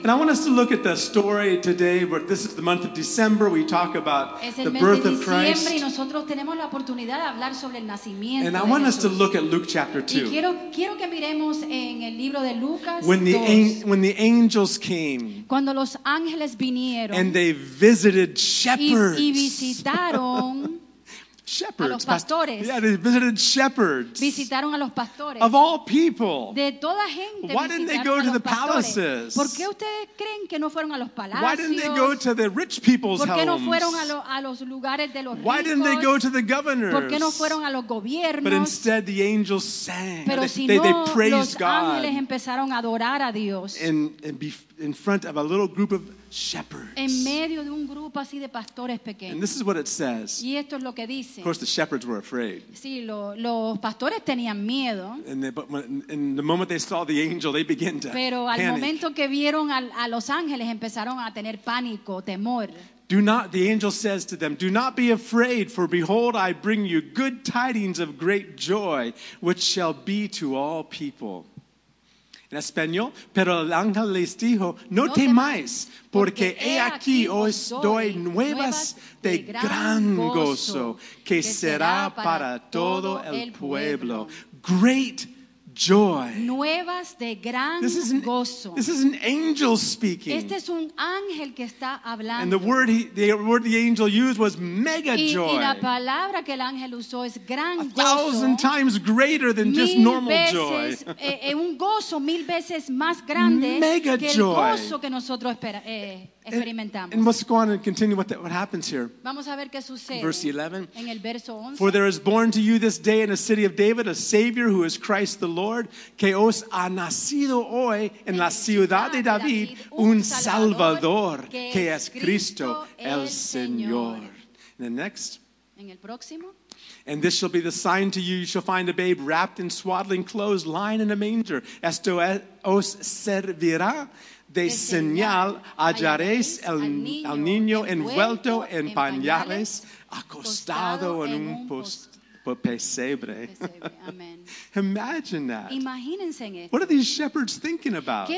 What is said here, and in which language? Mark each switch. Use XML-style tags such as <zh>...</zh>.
<en>And I want us to look at the story today, where this is the month of December. We talk about the birth of Christ.</en> <es>Y nosotros tenemos la oportunidad de hablar sobre el nacimiento.</es> <en>And I want</en> <es>Jesús.</es> <en>Us to look at Luke chapter 2.</en> <es>Y quiero que miremos en el libro de Lucas</es> <en>when the angels came.</en> <es>Cuando los ángeles vinieron.</es> <en>And they visited shepherds.</en> <es>Y visitaron.</es> <en>Shepherds,</en> <es>a los pastores.</es> <en>Yeah, they visited shepherds.</en> <es>Visitaron a los pastores.</es> <en>Of all people.</en> <es>De toda gente.</es> <en>Why didn't they go to the palaces?</en> <es>¿Por qué ustedes creen que no fueron a los palacios?</es> <en>Why didn't they go to the rich people's homes?</en> <es>¿Por qué no fueron a los lugares de los ricos?</es> <en>Why didn't they go to the governors?</en> <es>¿Por qué no fueron a los gobiernos?</es> <en>But instead the angels sang.</en> <es>Pero si</es> <en>they praised God.</en> <es>Los ángeles empezaron a adorar a Dios.</es> <en>In front of a little group of shepherds.</en> <es>En medio de un grupo así de pastores pequeños.</es> <en>And this is what it says.</en> <es>Y esto es lo que dice.</es> <en>Of course, the shepherds were afraid.</en> <es>Sí, los pastores tenían miedo.</es> <en>And the moment they saw the angel, they began to panic.</en> <es>Pero al momento que vieron a los ángeles, empezaron a tener pánico, temor.</es> <en>Do not, the angel says to them, do not be afraid, for behold, I bring you good tidings of great joy, which shall be to all people.</en> <es>En español, pero el ángel les dijo, no temáis, porque he aquí os doy nuevas de gran gozo, que será para todo el pueblo.</es> <en>Great joy.</en> <es>Nuevas de gran gozo.</es> <en>This is an angel speaking.</en> <es>Este es un ángel que está hablando.</es> <en>And the word the angel used was mega joy.</en> <es>Y la palabra que el ángel usó es gran gozo.</es> <en>A thousand times greater than just normal joy.</en> <es>Un gozo mil veces más grande</es> <en>mega</en> <es>que</es> <en>joy.</en> <es>El gozo que nosotros experimentamos.</es> <en>And let's go on and continue what happens here.</en> <es>Vamos a ver qué sucede.</es> <en>Verse 11.</en> <es>En el verso 11.</es> <en>For there is born to you this day in the city of David a Savior who is Christ the Lord,</en> <es>que os ha nacido hoy en la ciudad de David un Salvador, que es Cristo el Señor.</es> <en>And then next.</en> <es>En el próximo.</es> <en>And this shall be the sign to you, you shall find a babe wrapped in swaddling clothes, lying in a manger.</en> <es>Esto os servirá de señal, hallaréis al niño envuelto en pañales, acostado en un pesebre.</es> <en>Imagine that.</en> <es>Imagínense en esto.</es> <en>What are these shepherds thinking about?</en>